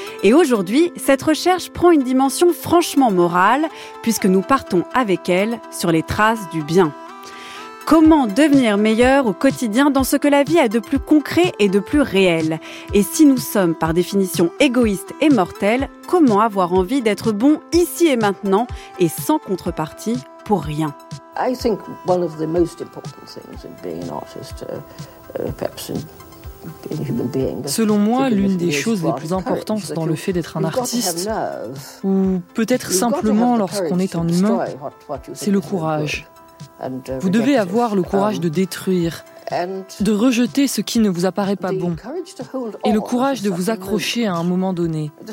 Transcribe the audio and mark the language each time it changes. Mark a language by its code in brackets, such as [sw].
[fr] Et aujourd'hui, cette recherche prend une dimension franchement morale, puisque nous partons avec elle sur les traces du bien. Comment devenir meilleur au quotidien dans ce que la vie a de plus concret et de plus réel? Et si nous sommes par définition égoïstes et mortels, comment avoir envie d'être bon ici et maintenant et sans contrepartie pour rien? [en] I think one of the most important things in being an artist, perhaps in being a human being. [fr] Selon moi, l'une des choses les plus importantes dans le fait d'être un artiste, ou peut-être simplement lorsqu'on est un humain, c'est le courage. Vous devez avoir le courage de détruire, de rejeter ce qui ne vous apparaît pas bon, et le courage de vous accrocher à un moment donné.